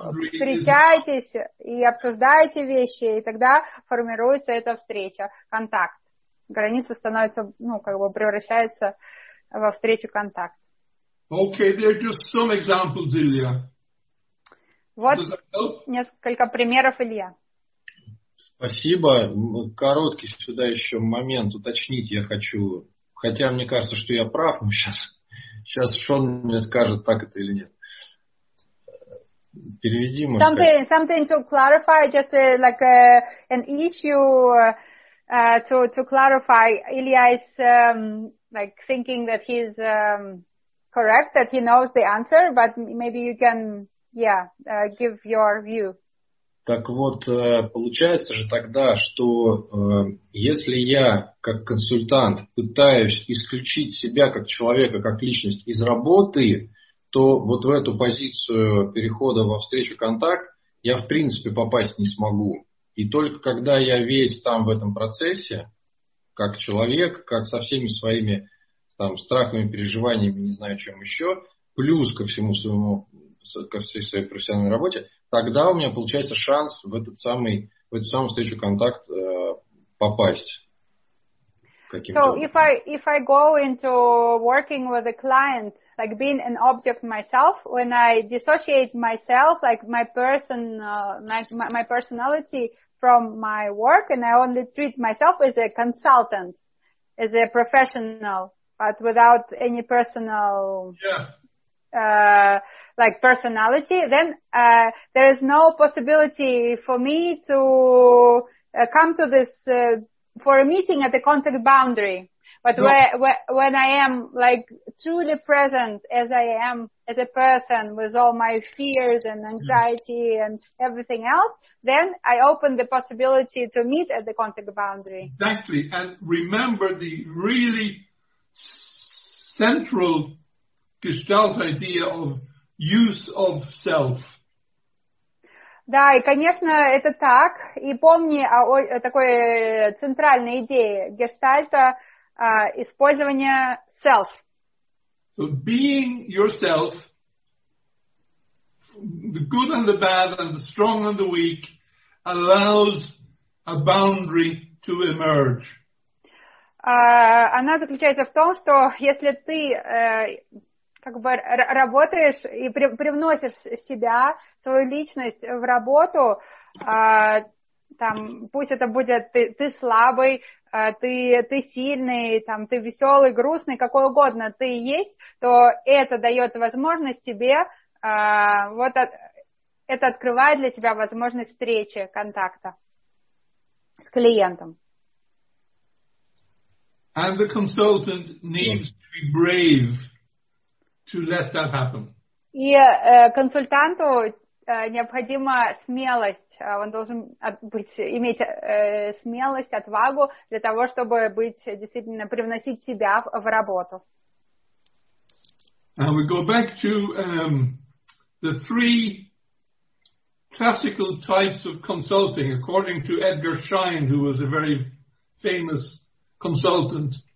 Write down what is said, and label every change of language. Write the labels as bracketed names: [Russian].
[Russian] встречаетесь и обсуждаете вещи, и тогда формируется эта встреча, контакт. Граница становится, ну, как бы превращается во встречу, контакт. [English] Okay, there are just some examples, Ilya. [Russian] Вот несколько примеров, Илья. Спасибо. Короткий сюда еще момент уточнить я хочу. Хотя мне кажется, что я прав, но сейчас Шон мне скажет, так это или нет. Переведи, может. [English] Something to clarify, just like an issue to clarify. Ilya is like thinking that he's correct, that he knows the answer, but maybe you can, yeah, give your view. [Russian] Так вот, получается же тогда, что если я, как консультант, пытаюсь исключить себя как человека, как личность из работы, то вот в эту позицию перехода во встречу-контакт я, в принципе, попасть не смогу. И только когда я весь там в этом процессе, как человек, как со всеми своими там страхами, переживаниями, не знаю, чем еще, плюс ко всему своему, ко всей своей профессиональной работе, тогда у меня получается шанс в этот самый, в эту самую встречу контакт попасть. [English] So if I go into working with a client, like being an object myself, when I dissociate myself, like my person, my personality from my work, and I only treat myself as a consultant, as a professional, but without any personal, like personality, then there is no possibility for me to come to this for a meeting at the contact boundary. But when I am like truly present as I am as a person with all my fears and anxiety and everything else, then I open the possibility to meet at the contact boundary. Exactly, and remember the really central Gestalt idea of use of self. [Russian] Да, и конечно, это так. И помни о такой центральной идее гештальта использования self. [English] So being yourself, the good and the bad and the strong and the weak, allows a boundary to emerge. [Russian] Она заключается в том, что если ты как бы работаешь и привносишь себя, свою личность в работу, там, пусть это будет ты слабый, ты сильный, там, ты веселый, грустный, какой угодно ты есть, то это дает возможность тебе, вот это открывает для тебя возможность встречи, контакта с клиентом. [English] And the consultant needs to be brave to let that happen. [Russian] И консультанту необходима смелость. Он должен иметь смелость, отвагу для того, чтобы быть действительно привносить себя в работу. [English] And we go back to the three classical types of consulting, according to Edgar Schein, who was a very famous consultant.